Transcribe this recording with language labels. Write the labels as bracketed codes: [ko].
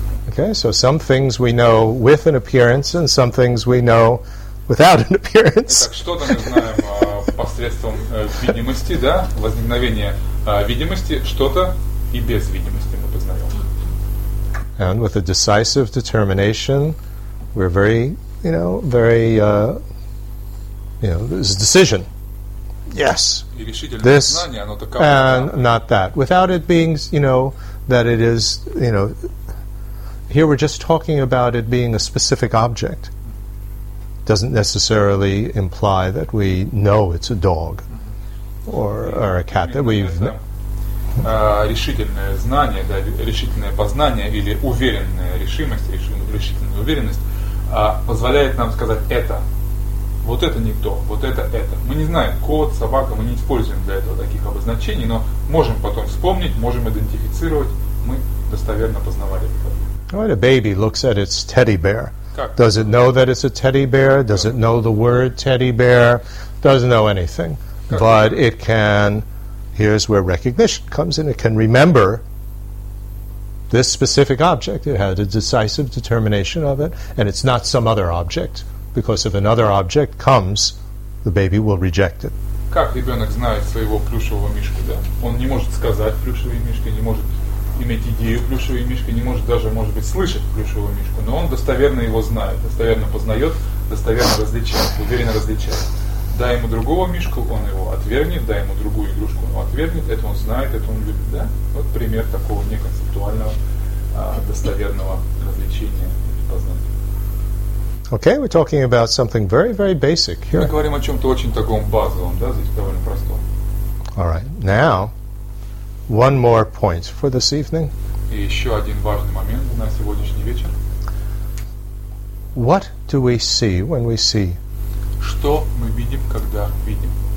[en] Okay, so some things we know with an appearance and some things we know without an appearance. [ru] Итак, что-то мы знаем посредством видимости, да, возникновения видимости, что-то и без видимости мы познаем. [en] And with a decisive determination, we're very, you know, very, you know, this decision. Yes, this and not that. Without it being, you know, that it is, you know, here we're just talking about it being a specific object. Doesn't necessarily imply that we know it's a dog or a cat that we've. [ru] Решительное знание, да, решительное познание или уверенная решимость, решительная уверенность позволяет нам сказать это. Вот это не то, вот это. Мы не знаем, кот, собака, мы не используем для этого таких обозначений, но можем потом вспомнить, можем идентифицировать, мы достоверно познавали это. [en] Right, a baby looks at its teddy bear. Does it know that it's a teddy bear? Does it know the word teddy bear? Doesn't know anything. But it can, here's where recognition comes in, it can remember this specific object. It had a decisive determination of it, and it's not some other object. Because if another object comes, the baby will reject it. [ru] Как ребенок знает своего плюшевого мишку, да? Он не может сказать плюшевый мишка, не может иметь идею плюшевый мишка, не может даже, может быть, слышать плюшевого мишку, но он достоверно его знает, достоверно познает, достоверно различает, уверенно различает. Дай ему другого мишку, он его отвергнет, дай ему другую игрушку, он его отвергнет, это он знает, это он любит, да? Вот пример такого неконцептуального, достоверного различения и познания. [en] Okay, we're talking about something very, very basic here. [ru] Мы говорим о чем-то очень таком базовом, да, здесь довольно простом. [en] All right, now, one more point for this evening. [ru] И еще один важный момент на сегодняшний вечер. [en] What do we see when we see? [ru] Что мы видим, когда видим?